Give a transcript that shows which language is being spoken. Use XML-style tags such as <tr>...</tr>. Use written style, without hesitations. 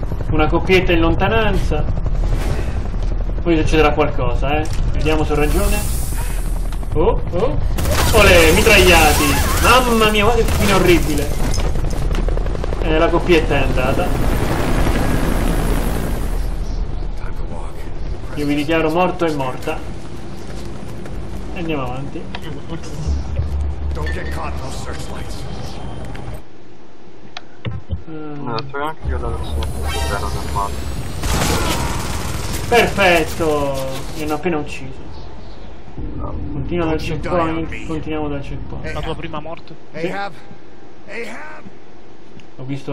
<it>Una coppietta in lontananza. Poi succederà qualcosa, eh. Vediamo se ho ragione. Oh, oh. Olè, mitragliati. Mamma mia, guarda che fine orribile. La coppietta è andata. Io mi dichiaro morto e morta. Andiamo avanti.</it> <en>Don't get caught in those searchlights.</en> <it>No, c'è anche io da sotto, non è male. Perfetto! Mi hanno appena ucciso. Continua dal checkpoint. Continuiamo dal checkpoint. La tua prima morte? Ahab! Sì. Ho visto.</it>